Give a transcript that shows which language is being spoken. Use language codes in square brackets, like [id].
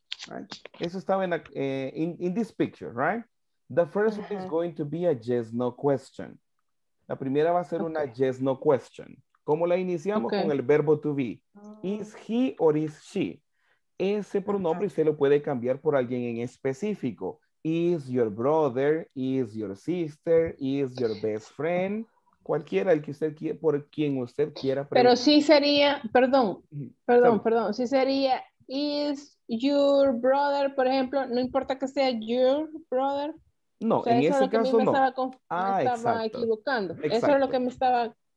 [en] Right. [es] Eso estaba [en] in this picture, right? The first one is going to be a yes, no question. [es] La primera va a ser una yes, no question. ¿Cómo la iniciamos? [en] Okay. [es] Con el verbo [en] to be. Is he or is she? [es] Ese pronombre se lo puede cambiar por alguien en específico. [en] Is your brother, is your sister, is your best friend. [es] Cualquiera, el que usted quiera, por quien usted quiera preguntar. Pero sí sería, perdón. Sí sería, [en] is your brother, [es] por ejemplo, no importa que sea your brother. No, o sea, en ese caso no. Me estaba equivocando. Exacto. Eso es lo que me estaba...